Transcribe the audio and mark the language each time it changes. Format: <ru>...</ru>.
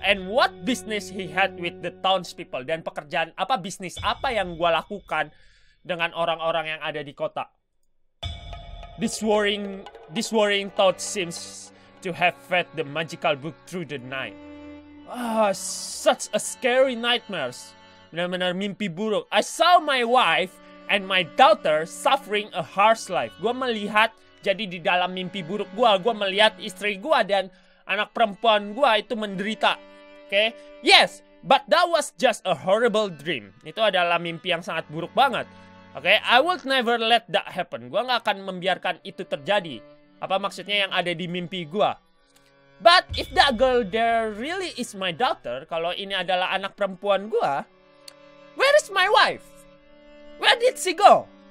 <en>And what business he had with the townspeople?</en> <id>Dan pekerjaan apa, bisnis apa yang gue lakukan dengan orang-orang yang ada di kota?</id> <en>This worrying thought seems to have fed the magical book through the night. Such a scary nightmares.</en> <id>Benar-benar mimpi buruk.</id> <en>I saw my wife and my daughter suffering a harsh life.</en> <id>Gua melihat, jadi di dalam mimpi buruk gua melihat istri gua dan anak perempuan gua itu menderita. Okay?</id> <en>Yes, but that was just a horrible dream.</en> <id>Itu adalah mimpi yang sangat buruk banget. Okay?</id> <en>I would never let that happen.</en> <id>Gua gak akan membiarkan itu terjadi. Apa maksudnya yang ada di mimpi gua?</id> <en>But if that girl there really is my daughter,</en> <id>kalau ini adalah anak perempuan gua,</id> <en>where is my wife? Where did she go?</en>